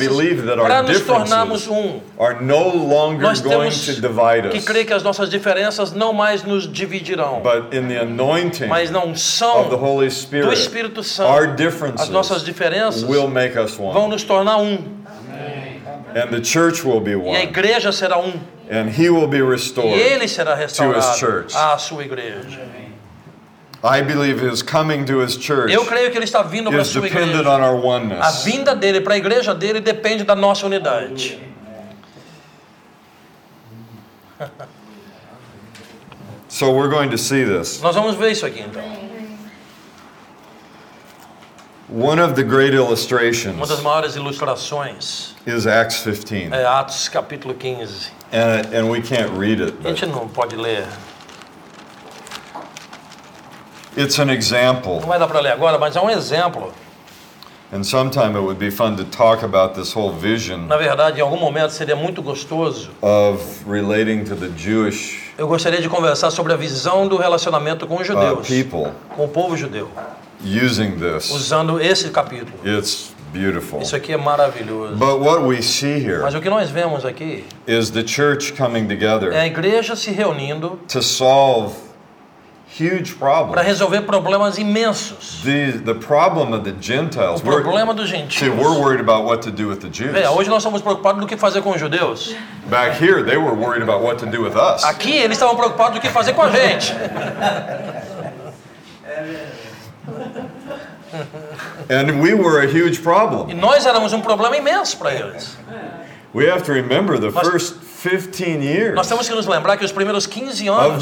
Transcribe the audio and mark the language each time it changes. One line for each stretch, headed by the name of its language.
English: We have to believe that our differences are no longer going to divide us.
Portuguese: Que crer que as nossas diferenças não mais nos dividirão.
English: But in the anointing.
Portuguese: Mas na unção.
English: Of the Holy Spirit.
Portuguese: Do Espírito Santo.
English: Our differences.
Portuguese: As nossas diferenças.
English: Will make us one.
Portuguese: Vão nos tornar um.
English: And the church will be one.
Portuguese: E a igreja será um.
English: And he will be restored.
Portuguese: E ele será restaurado.
English: To his church.
Portuguese: À sua igreja.
English: I believe his coming to his church.
Portuguese: Eu creio que ele está vindo para a sua igreja.
English: Is dependent on our oneness.
Portuguese: A vinda dele para a igreja dele depende da nossa unidade.
English: So we're going to see this.
Portuguese: Nós vamos ver isso aqui então.
English: One of the great illustrations.
Portuguese: Uma das maiores ilustrações.
English: Is Acts 15.
Portuguese: É Atos capítulo 15.
English: And we can't read it.
Portuguese: A gente não pode ler.
English: It's an example.
Portuguese: Não vai dar para ler agora, mas é um exemplo.
English: And sometime it would be fun to talk about this whole vision.
Portuguese: Na verdade, em algum momento seria muito gostoso.
English: Of relating to the Jewish.
Portuguese: Eu gostaria de conversar sobre a visão do relacionamento com os judeus.
English: People.
Portuguese: Com o povo judeu.
English: Using this.
Portuguese: Usando esse capítulo.
English: It's beautiful.
Portuguese: Isso aqui é maravilhoso.
English: But what we see here.
Portuguese: Mas o que nós vemos aqui.
English: Is the church coming together.
Portuguese: É a igreja se reunindo.
English: To solve huge problems.
Portuguese: Para resolver problemas imensos.
English: The problem of the Gentiles.
Portuguese: O problema dos gentios.
English: See, we're worried about what to do with the Jews.
Portuguese: É, hoje nós estamos preocupados no que fazer com os judeus.
English: Back here, they were worried about what to do with us.
Portuguese: Aqui eles estavam preocupados no que fazer com a gente.
English: And we were a huge problem.
Portuguese: E nós éramos problema imenso para eles.
English: We have to remember the first 15 years.
Portuguese: Nós temos que nos lembrar que os primeiros 15 anos